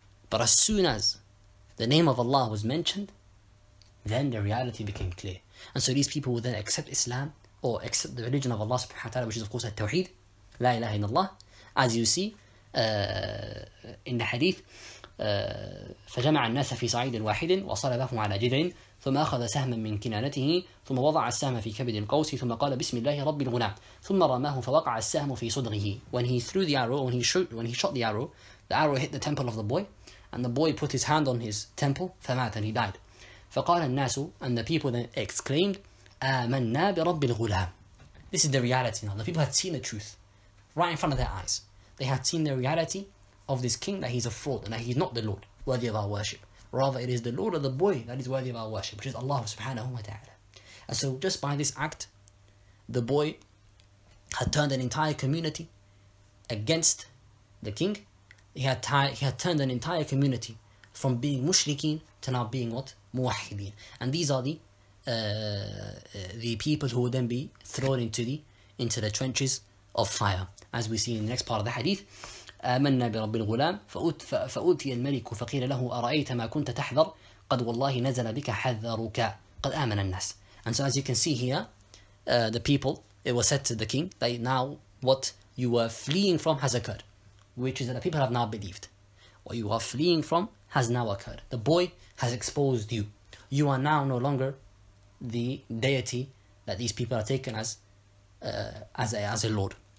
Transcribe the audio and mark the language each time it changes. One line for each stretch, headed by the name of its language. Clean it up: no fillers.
English: But as soon as the name of Allah was mentioned, then the reality became clear. And so these people would then accept Islam, or accept the religion of Allah subhanahu wa ta'ala, which is of course al-Tawheed, la ilaha illallah. As you see in the hadith,
Arabic: فجمع الناس في صعيد واحد وصلبهم على جذع، ثم أخذ سهما من كنانته، ثم وضع السهم في كبد القوس، ثم قال بسم الله رب الغلام، ثم رماه فوقع السهم في صدغه.
English: When he threw the arrow, when he shot the arrow hit the temple of the boy, and the boy put his hand on his temple,
Arabic: فمات
English: and he died.
Arabic: فقال الناس,
English: and the people then exclaimed,
Arabic: آمنا برب الغلام.
English: This is the reality now. The people had seen the truth right in front of their eyes. They had seen the reality of this king, that he's a fraud and that he's not the Lord worthy of our worship. Rather, it is the Lord of the boy that is worthy of our worship, which is Allah subhanahu wa ta'ala. And so just by this act, the boy had turned an entire community against the king. He had turned an entire community from being mushrikeen to now being what? Muwahideen. And these are the people who would then be thrown into the trenches of fire, as we see in the next part of the hadith.
Arabic: آمنا برب الغلام فأوتي الملك فقيل له أرأيت ما كنت تحذر قد والله نزل بك حذرك قد آمن الناس.
English: And so as you can see here, the people, it was said to the king that now what you were fleeing from has occurred, which is that the people have now believed. What you are fleeing from has now occurred. The boy has exposed you. You are now no longer the deity that these people are taken as a lord.